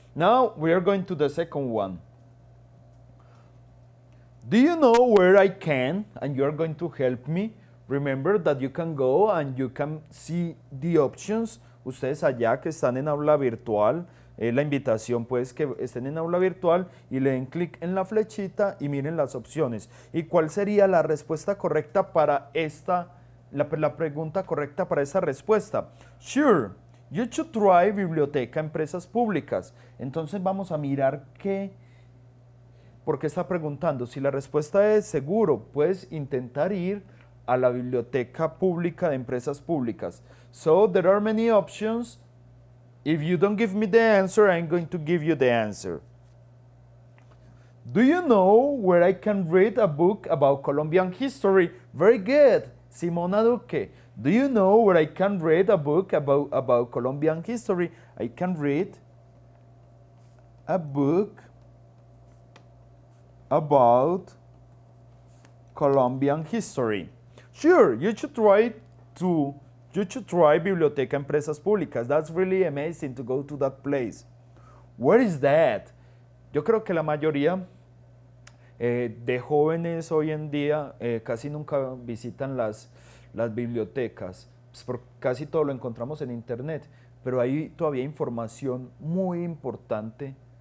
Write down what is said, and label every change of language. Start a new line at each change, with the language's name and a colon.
English: Now, we are going to the second one. Do you know where I can, and you are going to help me? Remember that you can go and you can see the options.
Spanish: Ustedes allá que están en aula virtual, la invitación pues que estén en aula virtual y le den clic en la flechita y miren las opciones. ¿Y cuál sería la respuesta correcta para esta La pregunta correcta para esa respuesta.
English: Sure, you should try biblioteca, empresas públicas.
Spanish: Entonces vamos a mirar qué, por qué está preguntando. Si la respuesta es seguro, puedes intentar ir a la biblioteca pública de empresas públicas.
English: So, there are many options. If you don't give me the answer, I'm going to give you the answer. Do you know where I can read a book about Colombian history? Very good. Simona Duque, do you know where I can read a book about Colombian history? I can read a book about Colombian history. Sure, you should try Biblioteca Empresas Públicas. That's really amazing to go to that place. Where is that?
Spanish: Yo creo que la mayoría de jóvenes hoy en día casi nunca visitan las bibliotecas, pues casi todo lo encontramos en internet, pero hay todavía información muy importante